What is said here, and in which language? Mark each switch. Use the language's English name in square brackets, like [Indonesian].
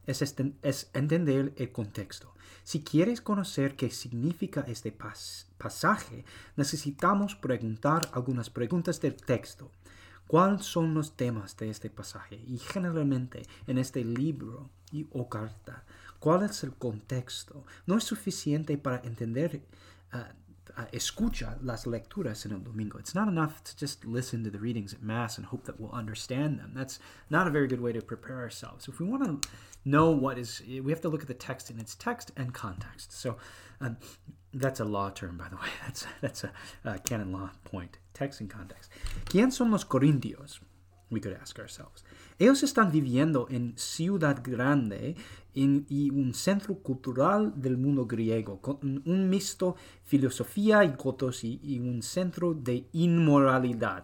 [Spanish] Es entender el contexto. Si quieres conocer qué significa este pasaje, necesitamos preguntar algunas preguntas del texto. ¿Cuáles son los temas de este pasaje? Y generalmente, en este libro y o carta, ¿cuál es el contexto? No es suficiente para entender, escucha las lecturas en el domingo. [English] It's not enough to just listen to the readings at Mass and hope that we'll understand them. That's not a very good way to prepare ourselves. If we want to know what is, we have to look at the text in its text and context. So that's a law term, by the way. That's a canon law point, text and context. [Spanish] ¿Quién son los Corintios? We could ask ourselves. Ellos están viviendo en Ciudad Grande y un centro cultural del mundo griego, con un mixto filosofía y cultos y un centro de inmoralidad.